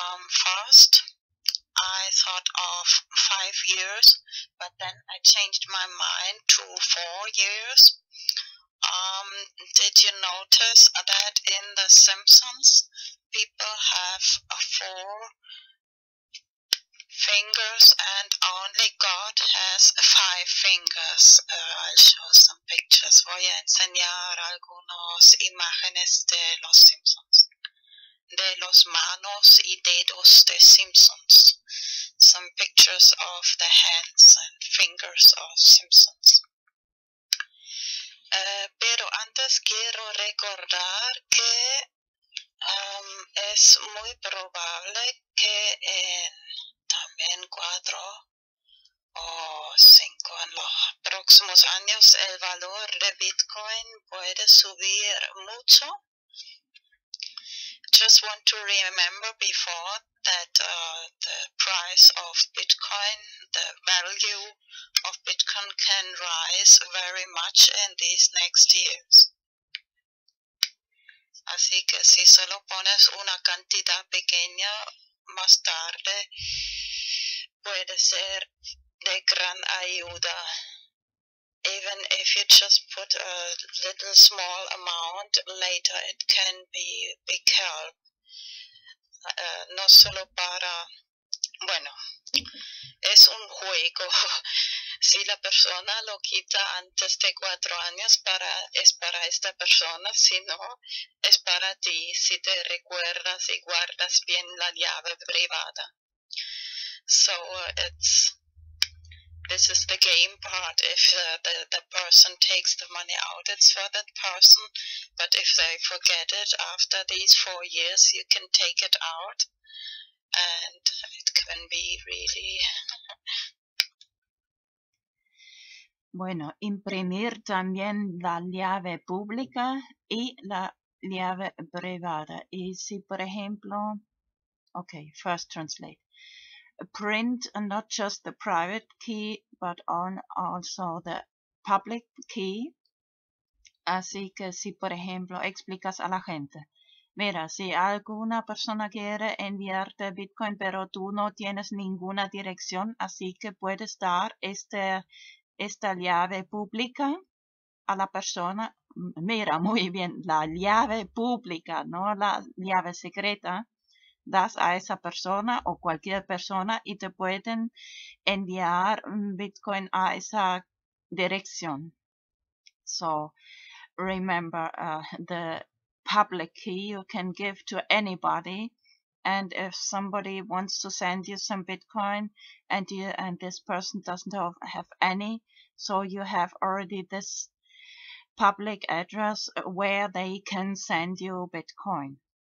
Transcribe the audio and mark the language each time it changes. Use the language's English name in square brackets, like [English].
[English] First, I thought of 5 years, but then I changed my mind to 4 years. Did you notice that in The Simpsons, people have 4 fingers and only God has 5 fingers. I'll show some pictures. [Spanish] Voy a enseñar algunas imágenes de los Simpsons. De los manos y dedos de Simpsons. [English] Some pictures of the hands and fingers of Simpsons. [Spanish] Pero antes quiero recordar que es muy probable que en también 4 o 5 en los próximos años el valor de Bitcoin puede subir mucho. [English] Just want to remember before that the price of Bitcoin, the value of Bitcoin can rise very much in these next years. [Spanish] Así que si solo pones una cantidad pequeña más tarde, puede ser de gran ayuda. [English] Even if you just put a little small amount, later it can be big help. [Spanish] No solo para, bueno, es un juego. Si la persona lo quita antes de 4 años, es para esta persona. Si no, es para ti, si te recuerdas y guardas bien la llave privada. [English] So this is the game part. If the person takes the money out, it's for that person. But if they forget it after these 4 years, you can take it out, and it can be really. [Spanish] Bueno, imprimir también la llave pública y la llave privada. Y si, por ejemplo, [English] okay, first translate. print not just the private key, but on also the public key. [Spanish] Así que si, por ejemplo, explicas a la gente, mira, si alguna persona quiere enviarte Bitcoin, pero tú no tienes ninguna dirección, así que puedes dar esta llave pública a la persona. Mira, muy bien, la llave pública, no la llave secreta. Das a esa persona o cualquier persona y te pueden enviar Bitcoin a esa dirección. [English] So, remember, the public key you can give to anybody. And if somebody wants to send you some Bitcoin and this person doesn't have any, so you have already this public address where they can send you Bitcoin.